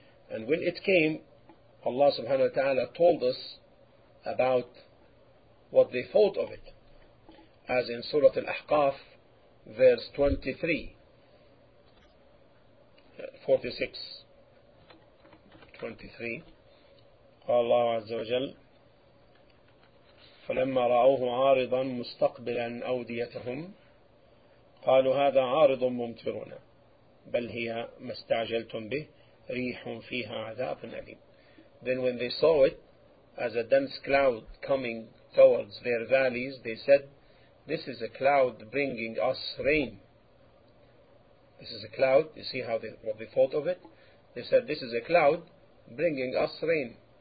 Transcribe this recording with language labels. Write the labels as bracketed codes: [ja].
[en] And when it came, Allah subhanahu wa ta'ala told us about what they thought of it, as in Surah Al-Ahqaf, verse 46. 23. [ar] قال الله عز وجل فلما رأوه عارضا مستقبلا أوديتهم قالوا هذا عارض ممطرنا بل هي ما استعجلتم به ريح فيها عذاب أليم. [en] Then when they saw it as a dense cloud coming towards their valleys, they said, this is a cloud bringing us rain. This is a cloud. You see how what they thought of it? They said, this is a cloud bringing us rain.